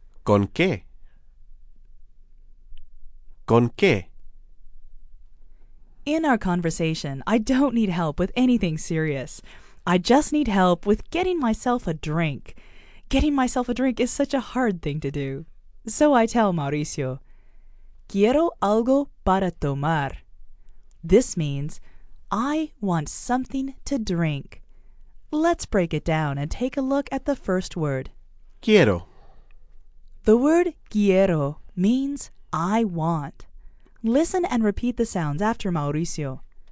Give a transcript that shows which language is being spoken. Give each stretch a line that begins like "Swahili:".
Spanish: Con qué. Con qué.
English: In our conversation, I don't need help with anything serious. I just need help with getting myself a drink. Getting myself a drink is such a hard thing to do. So I tell Mauricio,
Spanish: quiero algo para tomar.
English: This means, I want something to drink. Let's break it down and take a look at the first word.
Spanish: Quiero.
English: The word quiero means I want. Listen and repeat the sounds after Mauricio.